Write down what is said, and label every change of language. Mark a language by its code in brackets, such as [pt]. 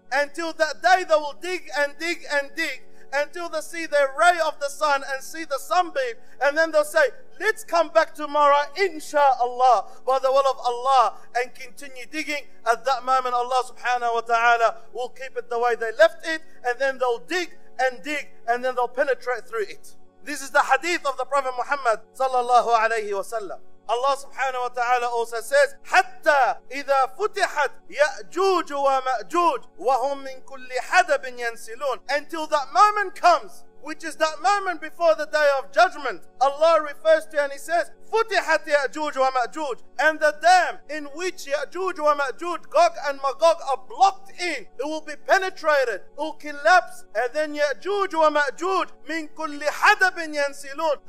[en] Until that day they will dig and dig and dig, until they see the ray of the sun and see the sunbeam, and then they'll say, let's come back tomorrow, inshallah, by the will of Allah, and continue digging. At that moment, Allah subhanahu wa ta'ala will keep it the way they left it, and then they'll dig and dig, and then they'll penetrate through it. This is the hadith of the Prophet Muhammad sallallahu alayhi wa sallam. Allah subhanahu wa ta'ala also says, [ar] حَتَّى إِذَا فُتِحَتْ يَأْجُوجُ وَمَأْجُوجُ وَهُمْ مِنْ كُلِّ حَدَبٍ يَنْسِلُونَ. [en] Until that moment comes, which is that moment before the day of judgment, Allah refers to and He says, [ar] فُتِحَتْ يَأْجُوجُ وَمَأْجُوجُ. [en] And the dam in which [ar] يَأْجُوجُ وَمَأْجُوجُ, Gog and Magog, are blocked in, it will be penetrated, it will collapse, and then يَأْجُوجُ وَمَأْجُوجُ مِنْ كُلِّ حَدَبٍ يَنْسِلُونَ.